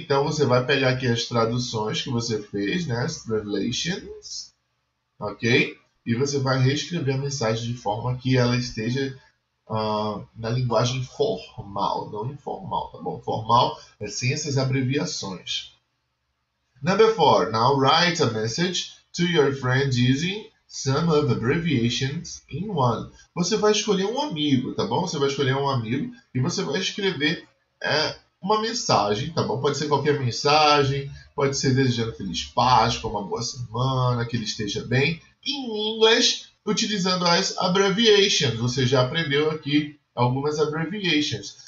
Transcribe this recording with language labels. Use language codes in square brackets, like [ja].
[pt] Então, você vai pegar aqui as traduções que você fez, né? As translations, ok? E você vai reescrever a mensagem de forma que ela esteja na linguagem formal, não informal, tá bom? Formal é sem essas abreviações. [en] Number 4. Now, write a message to your friend using some of the abbreviations in one. [pt] Você vai escolher um amigo, tá bom? Você vai escolher um amigo e você vai escrever uma mensagem, tá bom? Pode ser qualquer mensagem, pode ser desejando feliz Páscoa, uma boa semana, que ele esteja bem. [en] In English, [pt] utilizando as [en] abbreviations. [pt] Você já aprendeu aqui algumas abbreviations.